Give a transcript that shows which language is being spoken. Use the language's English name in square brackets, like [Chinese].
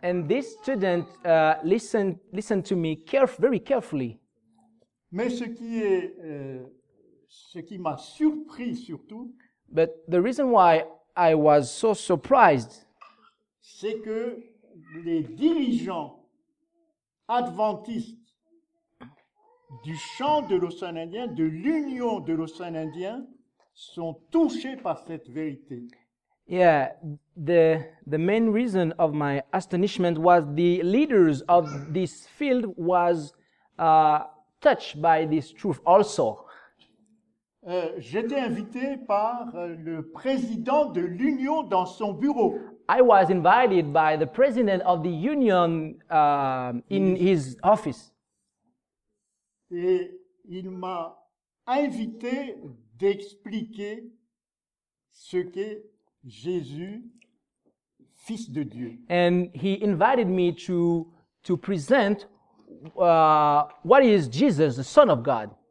[English] And these students listened to me very carefully. [French] Mais ce qui m'a surpris surtout. [English] But the reason why I was so surprised, [French] c'est que les dirigeants adventistes du champ de l'océan Indien, de l'union de l'océan Indien, sont touchés par cette vérité. [English] Yeah, the main reason of my astonishment was the leaders of this field was touched by this truth also. [French] J'étais invité par le président de l'Union dans son bureau. [English] I was invited by the president of the Union in his office. [French] Et il m'a invité d'expliquer ce qu'est Jésus, Fils de Dieu. [English] And he invited me to present what is Jesus, the Son of God.